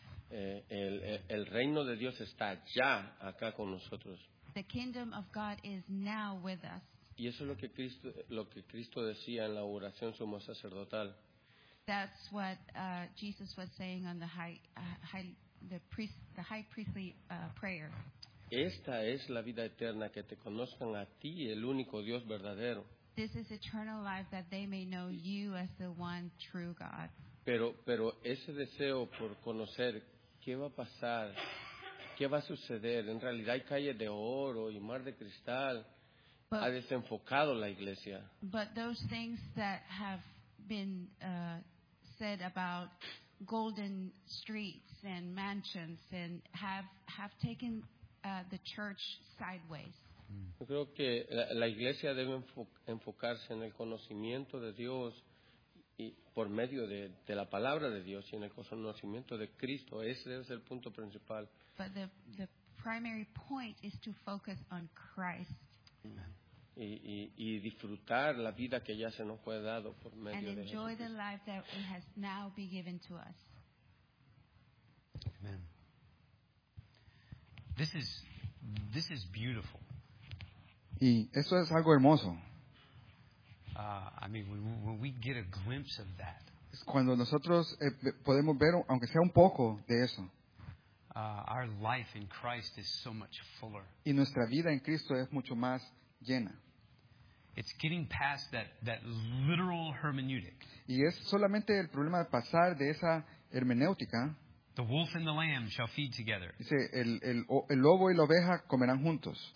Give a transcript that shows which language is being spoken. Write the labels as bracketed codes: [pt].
[es] El reino de Dios está ya acá con nosotros. [en] The kingdom of God is now with us. [es] Y eso es lo que Cristo decía en la oración sumo sacerdotal. [en] That's what Jesus was saying on the high priestly prayer. [es] Esta es la vida eterna, que te conozcan a ti, el único Dios verdadero. [en] This is eternal life, that they may know you as the one true God. [es] Pero ese deseo por conocer qué va a pasar, qué va a suceder, en realidad hay calles de oro y mar de cristal, but, ha desenfocado la iglesia. [en] But those things that have been said about golden streets and mansions and have taken the church sideways. [es] Yo creo que la iglesia debe enfocarse en el conocimiento de Dios y por medio de la palabra de Dios y en el conocimiento de Cristo. Ese debe ser el punto principal. [en] But the primary point is to focus on Christ. [es] Y disfrutar la vida que ya se nos fue dado por medio [en] and [es] de [en] enjoy the life that it has now been given to us. Amen. This is beautiful. [es] Y esto es algo hermoso. [en] I mean, when we get a glimpse of that. [es] Cuando nosotros podemos ver, aunque sea un poco, de eso. [en] Our life in Christ is so much fuller. [es] Y nuestra vida en Cristo es mucho más llena. [en] It's getting past that literal hermeneutic. [es] Y es solamente el problema de pasar de esa hermenéutica. [en] The wolf and the lamb shall feed together. [es] Dice, el lobo y la oveja comerán juntos.